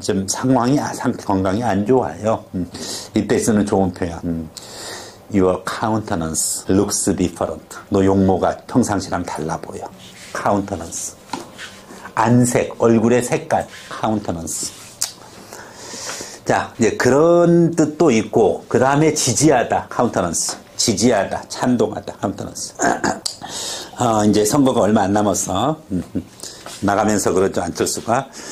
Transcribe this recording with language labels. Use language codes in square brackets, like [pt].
[ko] 지금 상황이, 상태 건강이 안 좋아요. 이때 쓰는 좋은 표현. [en] Your countenance looks different. [ko] 너 용모가 평상시랑 달라 보여. Countenance. 안색, 얼굴의 색깔. Countenance. 자, 이제 그런 뜻도 있고, 그 다음에 지지하다, 카운터넌스. 지지하다, 찬동하다, 카운터넌스. 이제 선거가 얼마 안 남았어. 나가면서 그러죠, 안철수가.